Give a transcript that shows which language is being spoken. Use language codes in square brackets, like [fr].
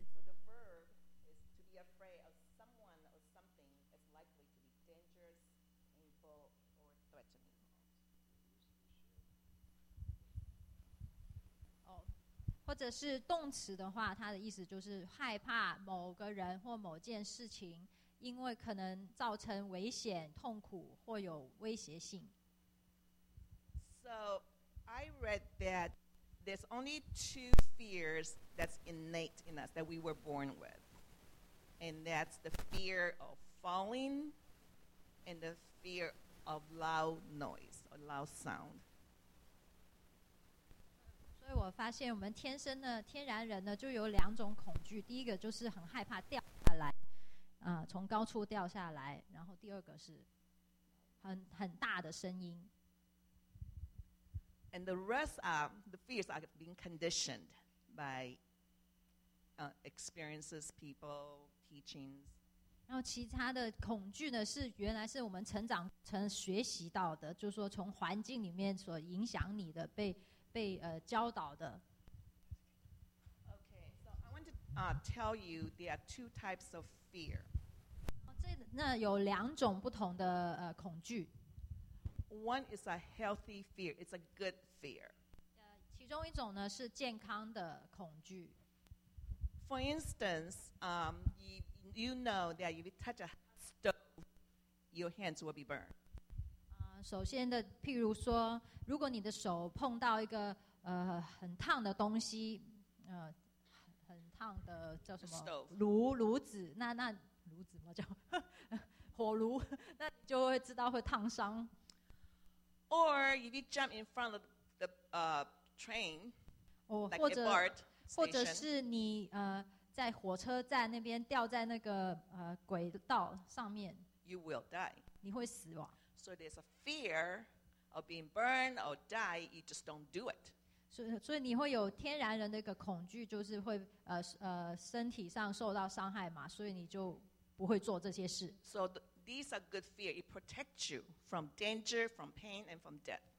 [en] So the verb is to be afraid of someone or something is likely to be dangerous, painful, or threatening. [zh] 或者是动词的话，它的意思就是害怕某个人或某件事情。因为可能造成危险、痛苦或有威胁性。 [en] So I read that there's only two fears that's innate in us that we were born with, and that's the fear of falling and the fear of loud noise or loud sound. [zh] 所以我发现我们天生的天然人呢就有两种恐惧，第一个就是很害怕掉下来，从高处掉下来，然后第二个是 很大的声音。 [en] And the rest are, the fears are being conditioned by experiences, people, teachings. [zh] 然后其他的恐惧呢是原来是我们成长成学习到的，就是说从环境里面所影响你的被教导的。 [en] Okay, so I want to tell you there are two types of fear. [zh] 那有两种不同的恐惧。 [en] One is a healthy fear. It's a good fear. [zh] 其中一种呢是健康的恐惧。 [en] For instance, you know that if you touch a stove, your hands will be burned. [zh] 首先的，譬如说，如果你的手碰到一个很烫的东西，很烫的叫什么 [en] stove [zh] 炉子，那炉子嘛叫火炉，那你就会知道会烫伤。 [en] Or if you jump in front of the train, like the BART station, [zh] 或者是你在火车站那边掉在那个轨道上面 [en] ，you will die. [zh] 你会死亡。 [en] So there's a fear of being burned or die. You just don't do it. [zh] 所以你会有天然人的一个恐惧，就是会身体上受到伤害嘛，所以你就不会做这些事。 [en] So these are good fear. It protects you from danger, from pain, and from death.